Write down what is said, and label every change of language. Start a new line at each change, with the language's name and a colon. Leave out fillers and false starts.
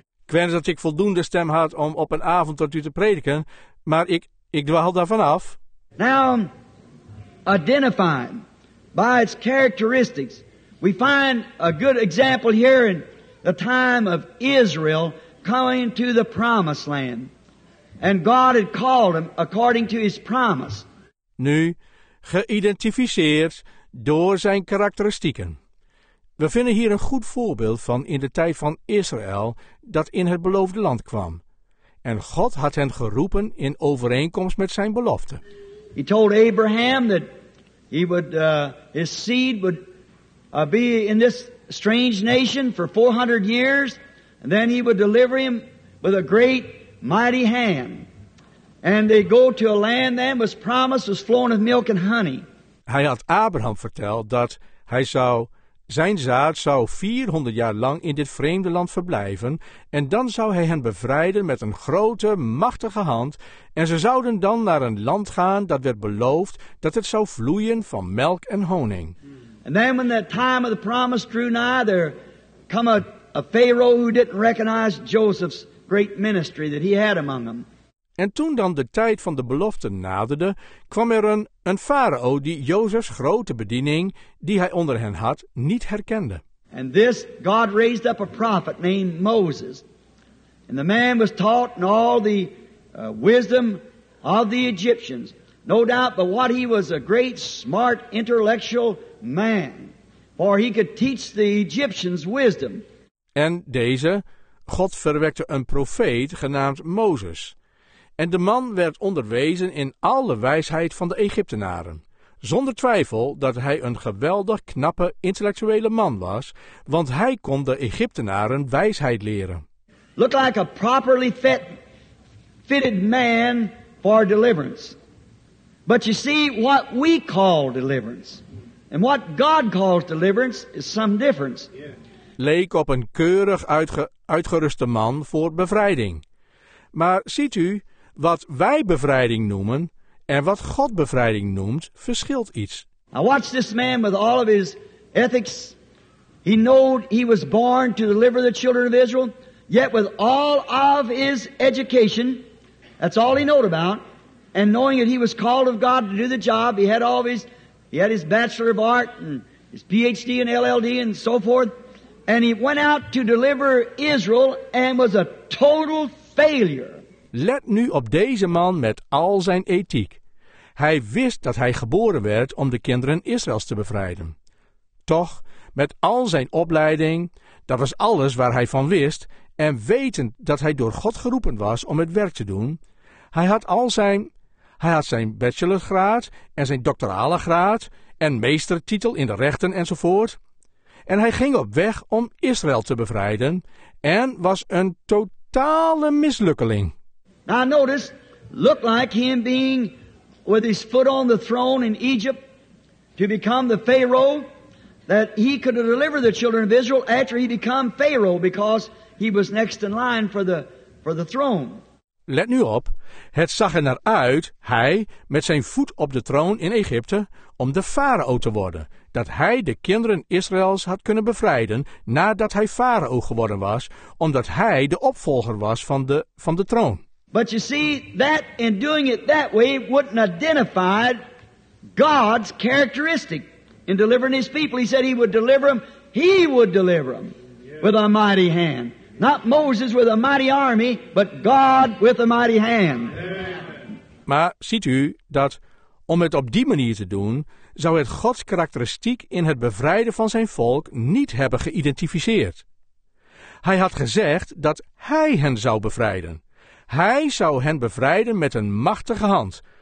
Dutch: Ik wens dat ik voldoende stem had om op een avond tot u te prediken, maar ik dwaal daarvan af.
English: Now, identified by its characteristics, we find a good example here in the time of Israel coming to the promised land. And God had called him according to his promise.
Dutch: Nu, geïdentificeerd door zijn karakteristieken. We vinden hier een goed voorbeeld van in de tijd van Israël dat in het beloofde land kwam. En God had hen geroepen in overeenkomst met zijn belofte.
English: He told Abraham that he would his seed would be in this strange nation for 400 years, and then he would deliver him with a great mighty hand. And they go to a land that was promised, was flowing with milk and honey.
Dutch: Hij had Abraham verteld dat zijn zaad zou 400 jaar lang in dit vreemde land verblijven, en dan zou hij hen bevrijden met een grote, machtige hand, en ze zouden dan naar een land gaan dat werd beloofd dat het zou vloeien van melk en honing.
English: And then when that time of the promise drew nigh, there come a Pharaoh who didn't recognize Joseph's great ministry that he had among them.
Dutch: En toen dan de tijd van de belofte naderde, kwam er een farao die Jozefs grote bediening, die hij onder hen had, niet herkende.
English: And this God raised up a prophet named Moses. And the man was taught in all the wisdom of the Egyptians. No doubt, but what he was a great, smart, intellectual man. For he could teach the Egyptians wisdom.
Dutch: En deze, God verwekte een profeet genaamd Mozes. En de man werd onderwezen in alle wijsheid van de Egyptenaren. Zonder twijfel dat hij een geweldig knappe intellectuele man was, want hij kon de Egyptenaren wijsheid leren.
English: Looked like a properly fitted man for deliverance. But you see, what we call deliverance and what God calls deliverance is some difference.
Dutch: Leek op een keurig uitgeruste man voor bevrijding. Maar ziet u, wat wij bevrijding noemen en wat God bevrijding noemt, verschilt iets.
English: Now watch this man with all of his ethics. He knew he was born to deliver the children of Israel. Yet with all of his education, that's all he knew about. And knowing that he was called of God to do the job, he had his Bachelor of Art and his PhD and LLD and so forth. And he went out to deliver Israel and was a total failure.
Dutch: Let nu op deze man met al zijn ethiek. Hij wist dat hij geboren werd om de kinderen Israëls te bevrijden. Toch, met al zijn opleiding, dat was alles waar hij van wist, en wetend dat hij door God geroepen was om het werk te doen, hij had zijn bachelorgraad en zijn doctorale graad en meestertitel in de rechten enzovoort. En hij ging op weg om Israël te bevrijden en was een totale mislukkeling.
English: Now notice, looked like him being with his foot on the throne in Egypt to become the Pharaoh, that he could deliver the children of Israel after he became Pharaoh, because he was next in line for the throne.
Dutch: Let nu op, het zag er naar uit, hij met zijn voet op de troon in Egypte, om de Farao te worden, dat hij de kinderen Israëls had kunnen bevrijden nadat hij Farao geworden was, omdat hij de opvolger was van de troon.
English: But you see, that in doing it that way wouldn't identify God's characteristic in delivering his people. He said he would deliver them. He would deliver them with a mighty hand. Not Moses with a mighty army, but God with a mighty hand.
Dutch: Maar ziet u dat om het op die manier te doen, zou het Gods karakteristiek in het bevrijden van zijn volk niet hebben geïdentificeerd. Hij had gezegd dat hij hen zou bevrijden. Hij zou hen bevrijden met een machtige hand.